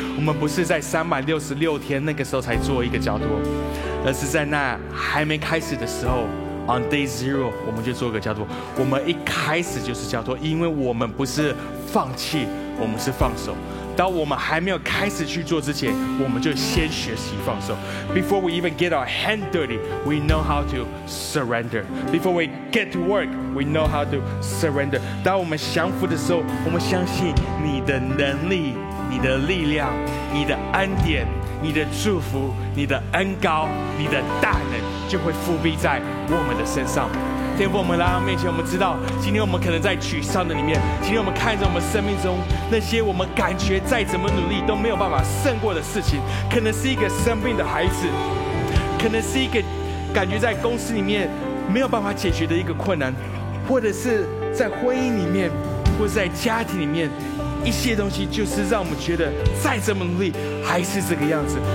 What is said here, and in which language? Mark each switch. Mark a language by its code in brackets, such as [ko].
[zh] 我们不是在366天那个时候才做一个交托，而是在那还没开始的时候 [en] on day zero [zh] 我们就做个交托。我们一开始就是交托，因为我们不是放弃，我们是放手。当我们还没有开始去做之前，我们就先学习放手。 [en] Before we even get our hand dirty we know how to surrender。 Before we get to work we know how to surrender。 [zh] 当我们降服的时候，我们相信你的能力，你的力量，你的恩典，你的祝福，你的恩膏，你的大能就会覆庇在我们的身上。天父，我们来到面前，我们知道今天我们可能在沮丧的里面，今天我们看着我们生命中那些我们感觉再怎么努力都没有办法胜过的事情，可能是一个生病的孩子，可能是一个感觉在公司里面没有办法解决的一个困难，或者是在婚姻里面，或者在家庭里面一些东西，就是让我们觉得再怎么努力还是这个样子。